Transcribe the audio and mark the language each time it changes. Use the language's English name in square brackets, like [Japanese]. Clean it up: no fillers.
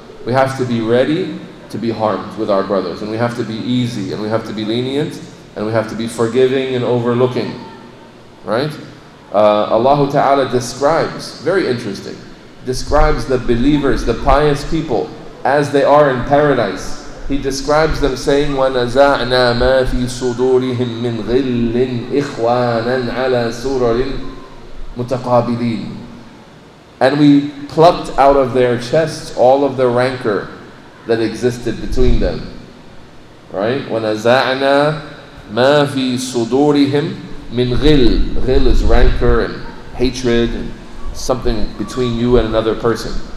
[English] We have to be ready to be harmed with our brothers, and we have to be easy, and we have to be lenient, and we have to be forgiving and overlooking. Right? Allah Ta'ala describes, very interesting, describes the believers, the pious people, as they are in paradise. He describes them saying, [Arabic] وَنَزَعْنَا مَا فِي صُدُورِهِم مِّنْ غِلٍّ إِخْوَانًا عَلَى سُرَرٍ متقابلين. [English] And we plucked out of their chests all of the rancor that existed between them. [Arabic] Right? وَنَزَعْنَا مَا فِي صُدُورِهِمْ مِنْ غِلٍ. [English] غِل is rancor and hatred and something between you and another person.